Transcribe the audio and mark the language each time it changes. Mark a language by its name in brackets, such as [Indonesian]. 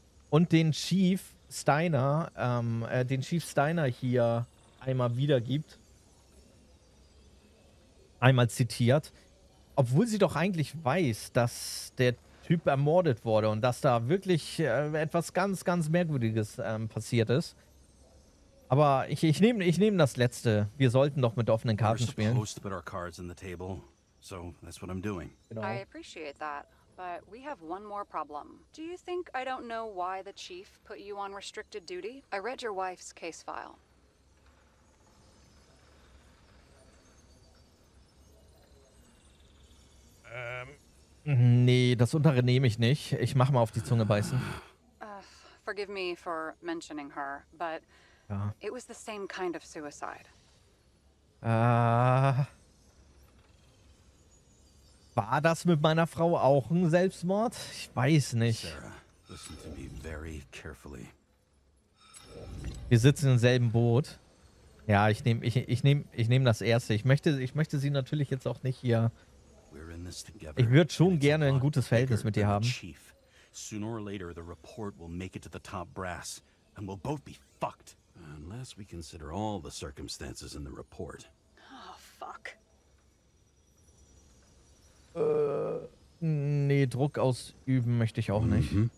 [German] Und den Chief Steiner, den Chief Steiner hier einmal wiedergibt. Einmal zitiert. Obwohl sie doch eigentlich weiß, dass der Typ ermordet wurde und dass da wirklich etwas ganz, ganz Merkwürdiges passiert ist. Aber ich nehme das Letzte. Wir sollten doch mit offenen Karten spielen. [English] We're supposed to put our cards on the table, so that's what I'm doing. I appreciate that, but we have one more problem. Do you think I don't know why the chief put you on restricted duty? I read your wife's case file. [German] Nee, das untere nehme ich nicht. Ich mache mal auf die Zunge beißen. [English] Forgive me for mentioning her, but [German] ja. [English] It was the same kind of suicide. [German] War das mit meiner Frau auch ein Selbstmord? Ich weiß nicht. [English] Sarah, listen to me very carefully. [German] Wir sitzen im selben Boot. Ja, ich nehme das Erste. Ich möchte sie natürlich jetzt auch nicht hier. Ich würde schon gerne ein gutes Verhältnis mit dir haben. [English] Sooner or later the report will make it to the top brass and we'll both be fucked unless we consider all the circumstances in the report. Oh fuck. [German] Nee, Druck ausüben möchte ich auch nicht.